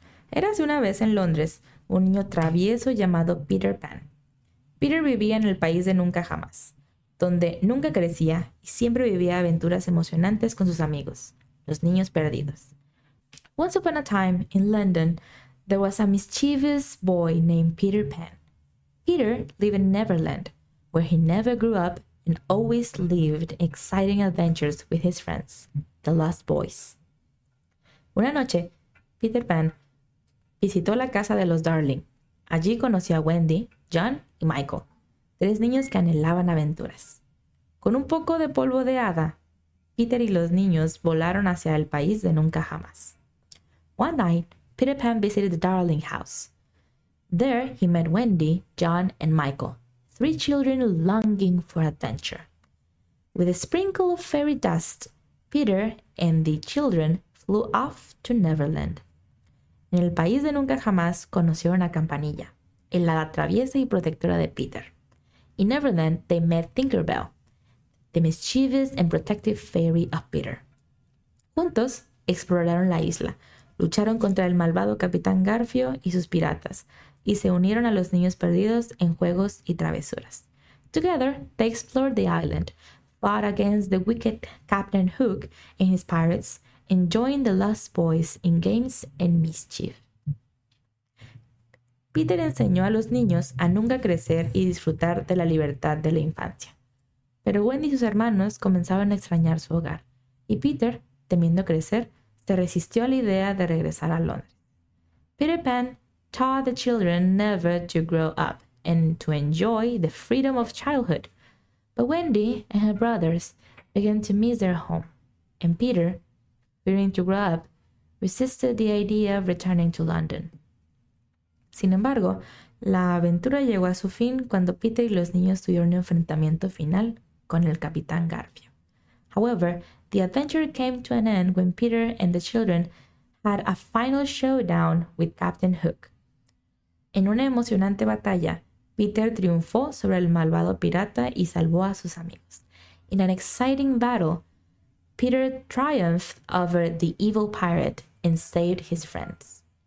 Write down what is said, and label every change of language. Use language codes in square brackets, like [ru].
[es] Érase una vez en Londres un niño travieso llamado Peter Pan. Peter vivía en el país de nunca jamás, donde nunca crecía y siempre vivía aventuras emocionantes con sus amigos, los niños perdidos. [en] Once upon a time in London, there was a mischievous boy named Peter Pan. Peter lived in Neverland, where he never grew up and always lived exciting adventures with his friends, the Lost Boys. [es] Una noche, Peter Pan visitó la casa de los Darling. Allí conoció a Wendy, John y Michael, tres niños que anhelaban aventuras. Con un poco de polvo de hada, Peter y los niños volaron hacia el país de nunca jamás. [en] One night, Peter Pan visited the Darling house. There, he met Wendy, John and Michael, three children longing for adventure. With a sprinkle of fairy dust, Peter and the children flew off to Neverland. [es] En el país de nunca jamás conocieron a Campanilla, el hada traviesa y protectora de Peter. [en] In Neverland, they met Tinkerbell, the mischievous and protective fairy of Peter. [es] Juntos, exploraron la isla, lucharon contra el malvado Capitán Garfio y sus piratas, y se unieron a los niños perdidos en juegos y travesuras. [en] Together, they explored the island, fought against the wicked Captain Hook and his pirates, and joined the Lost Boys in games and mischief. [es] Peter enseñó a los niños a nunca crecer y disfrutar de la libertad de la infancia. Pero Wendy y sus hermanos comenzaban a extrañar su hogar, y Peter, temiendo crecer, se resistió a la idea de regresar a Londres. [en] Peter Pan taught the children never to grow up and to enjoy the freedom of childhood. But Wendy and her brothers began to miss their home, and Peter, fearing to grow up, resisted the idea of returning to London. [es] Sin embargo, la aventura llegó a su fin cuando Peter y los niños tuvieron un enfrentamiento final con el Capitán Garfio. [en] However, the adventure came to an end when Peter and the children had a final showdown with Captain Hook. [es] En una emocionante batalla, Peter triunfó sobre el malvado pirata y salvó a sus amigos. [en] In an exciting battle, Peter triumphed over the evil pirate and saved his friends.